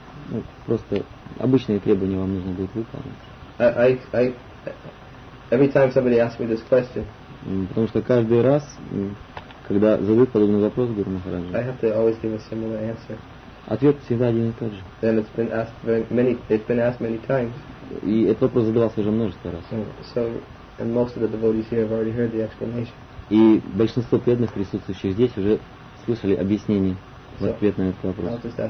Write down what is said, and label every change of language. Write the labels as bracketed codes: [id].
[ru] Ну, просто обычные требования вам нужно будет выполнить. [en] I every time somebody asks me this question. [ru] Потому что каждый раз, когда задают подобный вопрос, Гуру Махараджу, [en] I have to always give a similar answer. [ru] Ответ всегда один и тот же. [en] And it's been asked many times. [ru] И этот вопрос задавался уже множество раз. [en] So and most of the devotees here have already heard the explanation. [ru] И большинство преданных, присутствующих здесь, уже слышали объяснение. в ответ на этот вопрос.